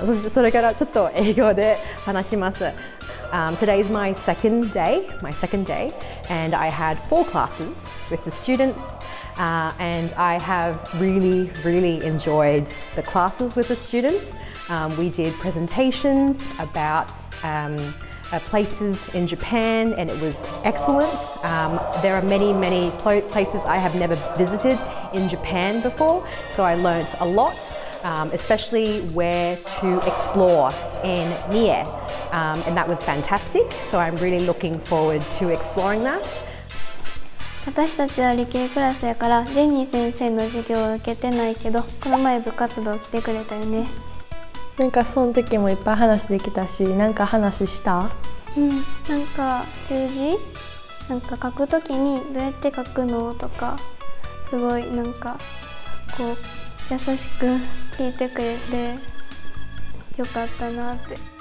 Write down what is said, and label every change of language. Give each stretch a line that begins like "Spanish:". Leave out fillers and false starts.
Japanese: それからちょっと英語で話します。
English: Today is my second day, and I had four classes with the students, and I have really, really enjoyed the classes with the students. We did presentations about places in Japan, and it was excellent. There are many, many places I have never visited in Japan before, so I learnt a lot, especially where to explore in Mie, and that was fantastic. So I'm really looking forward to exploring that.
Japanese: 私たちは理系クラスやからジェニー先生の授業を受けてないけど、この前部活動来てくれたよね。なんかその時もいっぱい話できたし、なんか話した？なんか数字、なんか書くときにどうやって書くのとか、すごいなんかこう優しく聞いてくれてよかったなって。